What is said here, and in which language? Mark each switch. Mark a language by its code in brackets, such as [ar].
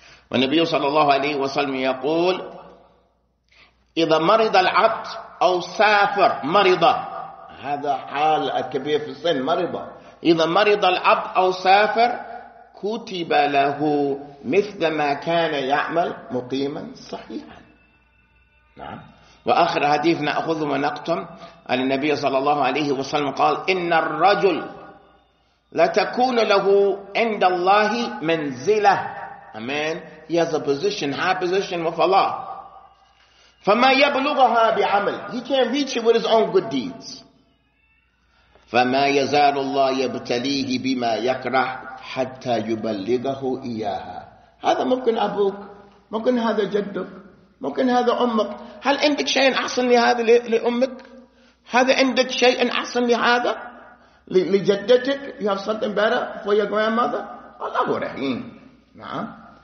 [ar] والنبي صلى الله عليه وسلم يقول: إذا مرض العبد أو سافر مرض، هذا حال كبير في السن، مرض، إذا مرض العبد أو سافر كتب له مثل ما كان يعمل مقيما صحيحا. نعم. وآخر حديث نأخذ ونقتم عن النبي صلى الله عليه وسلم قال: إن الرجل لتكون له عند الله منزلة. أمين. [en] He has a position, high position with Allah. [ar] فما يبلغها بعمل. [en] He can reach it with his own good deeds. [ar] فما يزال الله يبتليه بما يكره حتى يبلغه إياها. هذا ممكن أبوك، ممكن هذا جدك، ممكن هذا أمك. هل عندك شيء أحسن لهذا لأمك؟ هذا عندك شيء أحسن لهذا لجدتك؟ [en] You have something better for your grandmother؟ [ar] الله رحيم. نعم.